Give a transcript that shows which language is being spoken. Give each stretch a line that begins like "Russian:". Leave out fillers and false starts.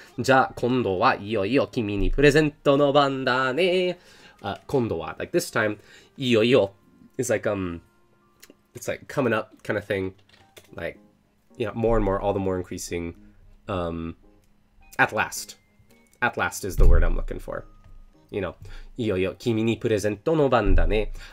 Japanese: じゃあ今度はいよいよ君にプレゼントの番だね.
English: Kondowa, like this time,
Japanese: いよいよ
English: is like it's like coming up kind of thing, like you know, more and more, all the more increasing. At last is the word I'm looking for. You know,
Japanese: いよいよ君にプレゼントの番だね.